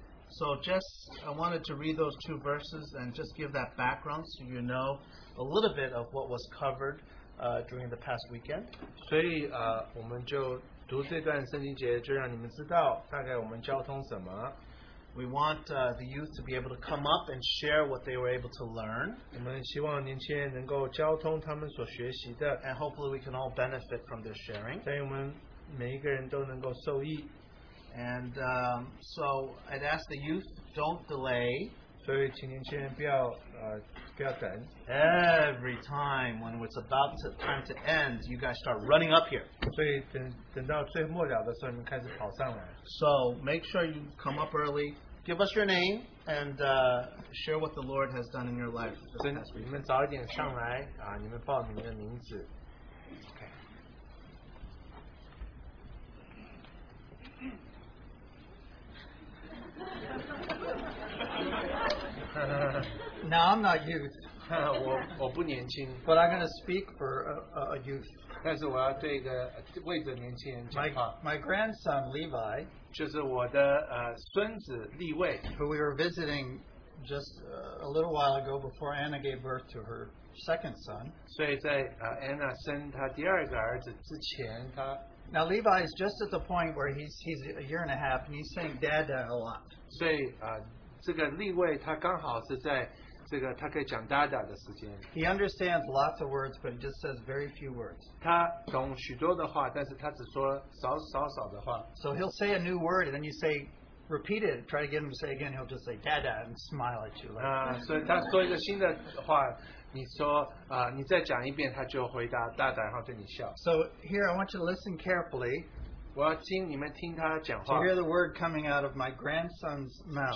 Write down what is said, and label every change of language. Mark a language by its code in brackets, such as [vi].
[en] So just, I wanted to read those two verses and just give that background so you know a little bit of what was covered during the past weekend. [zh] 所以我们就读这段圣经节，就让你们知道大概我们交通什么。 [en] We want the youth to be able to come up and share what they were able to learn. [zh] 我们希望年轻人能够交通他们所学习的, [en] and hopefully we can all benefit from their sharing. [zh] 所以我们每一个人都能够受益。 [en] And so I'd ask the youth, don't delay. [zh] 所以请年轻人不要等。 [en] Every time when it's about to, time to end, you guys start running up here. [zh] 所以等到最末了的时候，你们开始跑上来。 [en] So make sure you come up early. Give us your name and share what the Lord has done in your life. [zh] 你们早一点上来，你们报你们的名字。 [en] No, I'm not youth. [zh] 我不年轻。 [en] But I'm going to speak for a youth. [zh] 但是我要对一个为着年轻人讲话。 [en] My grandson Levi, [zh] 就是我的孙子利卫, [en] who we were visiting just a little while ago before Anna gave birth to her second son. [zh] 所以在, Anna 生他第二个儿子之前, 他, [en] now Levi is just at the point where he's a year and a half and he's saying dad a lot. [zh] 所以这个利未他刚好是在这个他可以讲dada的时间。 [en] He understands lots of words, but he just says very few words. [zh] 他懂许多的话，但是他只说少少少的话。 [en] So he'll say a new word, and then you say, repeat it. Try to get him to say it again. He'll just say dada and smile at you. Like, [zh] 所以他说一个新的话，你说你再讲一遍，他就回答dada，然后对你笑。 [en] So here, I want you to listen carefully. [zh] 我要听你们听他讲话。 [en] To hear the word coming out of my grandson's mouth.